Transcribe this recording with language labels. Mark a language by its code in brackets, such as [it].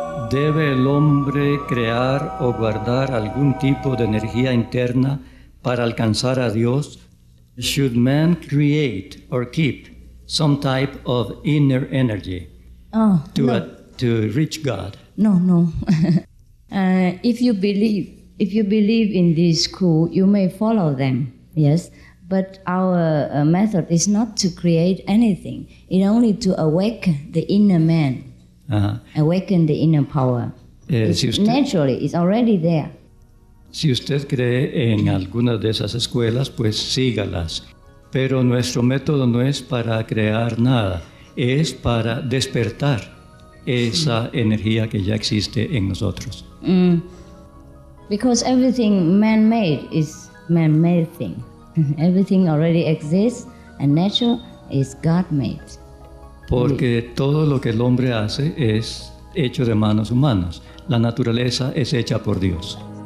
[es] ¿Debe el hombre crear o guardar algún tipo de energía interna para alcanzar a Dios? [en] Should man create or keep some type of inner energy to reach God? No. if you believe in this school, you may follow them, yes. But our method is not to create anything. It's only to awaken the inner man. Uh-huh. Awaken the inner power. Naturally, it's already there. [es] Si usted cree en alguna de esas escuelas, pues sígalas. Pero nuestro método no es para crear nada, es para despertar esa energía que ya existe en nosotros. Mm. [en] Because everything man-made is man-made thing. Everything already exists and natural is God-made. [es] Porque todo lo que el hombre hace es hecho de manos humanas. La naturaleza es hecha por Dios.